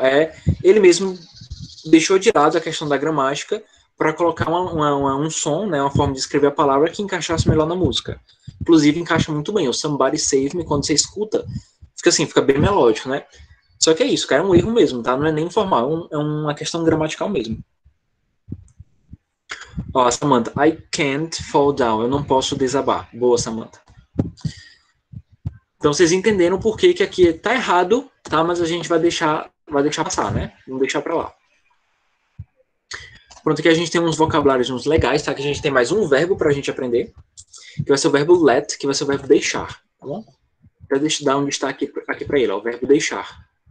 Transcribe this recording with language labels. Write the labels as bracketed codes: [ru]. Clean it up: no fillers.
[pt] É, ele mesmo deixou de lado a questão da gramática para colocar um som, né, uma forma de escrever a palavra que encaixasse melhor na música. Inclusive, encaixa muito bem. O [en] somebody save me, [pt] quando você escuta, fica assim, fica bem melódico, né? Só que é isso, cara, é um erro mesmo, tá? Não é nem informal, é uma questão gramatical mesmo. [en] Ó, oh, Samantha, I can't fall down. [pt] Eu não posso desabar. Boa, Samantha. Então, vocês entenderam por que que aqui tá errado, tá? Mas a gente vai deixar passar, né? Vamos deixar pra lá. Pronto, aqui a gente tem uns vocabulários, uns legais, tá? Que a gente tem mais um verbo pra gente aprender. Que vai ser o verbo let, que vai ser o verbo deixar, tá bom? Já deixa eu dar um destaque aqui pra ele, ó. O verbo deixar.